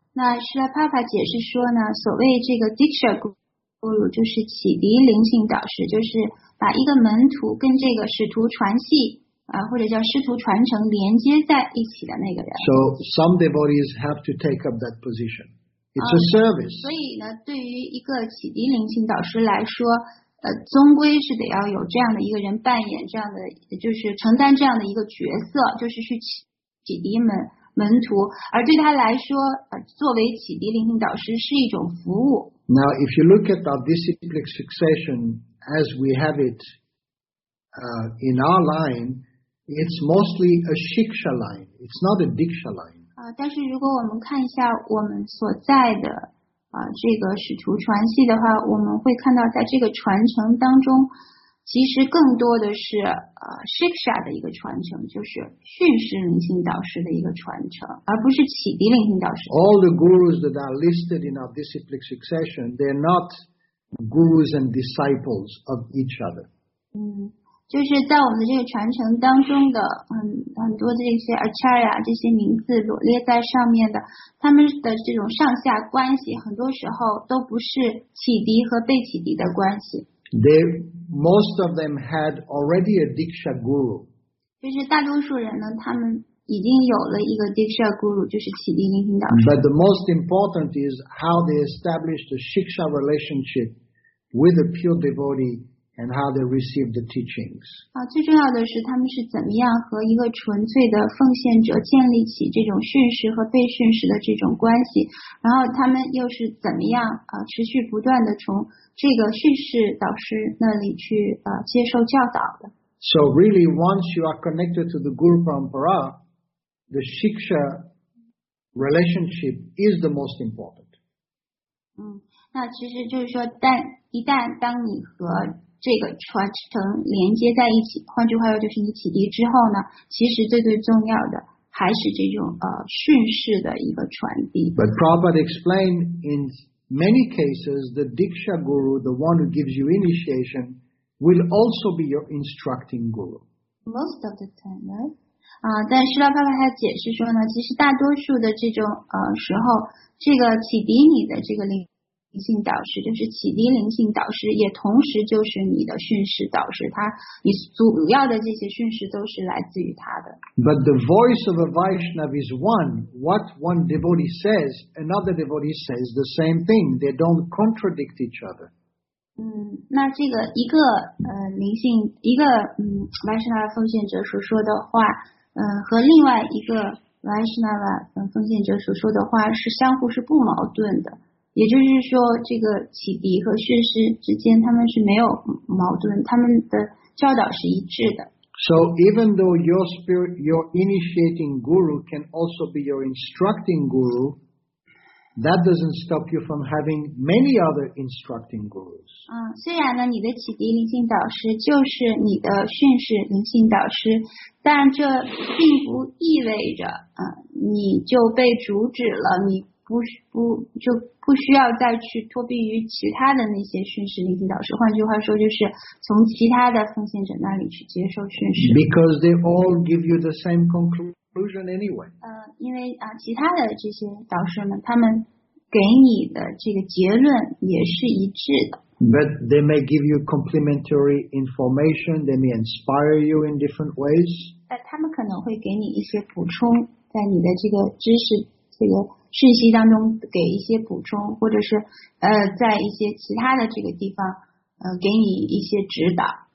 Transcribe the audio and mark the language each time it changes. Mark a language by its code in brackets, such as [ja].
[zh] 那Srila Prabhupada解释说呢，所谓这个 Diksha Guru 就是启迪灵性导师，就是把一个门徒跟这个使徒传系或者叫师徒传承连接在一起的那个人。 [en] So some devotees have to take up that position. It's a service. [zh] 所以呢，对于一个启迪灵性导师来说，终归是得要有这样的一个人扮演这样的，就是承担这样的一个角色，就是去启迪门徒。而对他来说，作为启迪灵性导师是一种服务。 [en] Now, if you look at our disciplic succession as we have it in our line, it's mostly a Shiksha line. It's not a Diksha line. [zh] 但是如果我们看一下我们所在的这个使徒传系的话，我们会看到在这个传承当中，其实更多的是Shiksha 的一个传承，就是训示灵性导师的一个传承，而不是启迪灵性导师。 [en] All the gurus that are listed in our disciplic succession, they're not gurus and disciples of each other. [zh] 就是在我们的这个传承当中的很多的这些 acharya 这些名字罗列在上面的，他们的这种上下关系，很多时候都不是启迪和被启迪的关系。 [en] Most of them had already a Diksha Guru. [zh] 就是大多数人呢，他们已经有了一个 Diksha Guru， 就是启迪灵性导师。 [en] But the most important is how they established a Shiksha relationship with a pure devotee and how they received the teachings. [zh] 啊，最重要的是他们是怎么样和一个纯粹的奉献者建立起这种训示和被训示的这种关系，然后他们又是怎么样啊持续不断的从这个训示导师那里去啊接受教导的。 [en] So really, once you are connected to the Guru Parampara, the Shiksha relationship is the most important. [zh] 嗯，那其实就是说，但一旦当你和这个传承连接在一起，换句话说就是你启迪之后呢，其实最最重要的还是这种训示的一个传递。 [en] But Prabhupada explained in many cases, the Diksha Guru, the one who gives you initiation. Will also be your instructing guru. Most of the time, right? [zh] 啊，但释迦牟尼佛还解释说呢，其实大多数的这种时候，这个启迪你的这个灵性导师，就是启迪灵性导师，也同时就是你的训示导师。他，你主要的这些训示都是来自于他的。 [en] But the voice of a Vaishnava is one. What one devotee says, another devotee says the same thing. They don't contradict each other. [zh] 嗯，那这个一个灵性一个Vaishnava 奉献者所说的话，和另外一个 Vaishnava 奉献者所说的话是相互是不矛盾的，也就是说，这个启迪和训示之间他们是没有矛盾，他们的教导是一致的。 [en] So even though your spirit, your initiating guru can also be your instructing guru. That doesn't stop you from having many other instructing gurus. [zh] 虽然呢，你的启迪灵性导师就是你的训示灵性导师，但这并不意味着，你就被阻止了，你不需要再去托庇于其他的那些训示灵性导师。换句话说，就是从其他的奉献者那里去接受训示。 [en] Because they all give you the same conclusion. Anyway. [zh] 因为其他的这些导师们，他们给你的这个结论也是一致的。 [en] But they may give you complimentary information. They may inspire you in different ways. [zh] 他们可能会给你一些补充，在你的这个知识这个讯息当中给一些补充，或者是在一些其他的这个地方给你一些指导。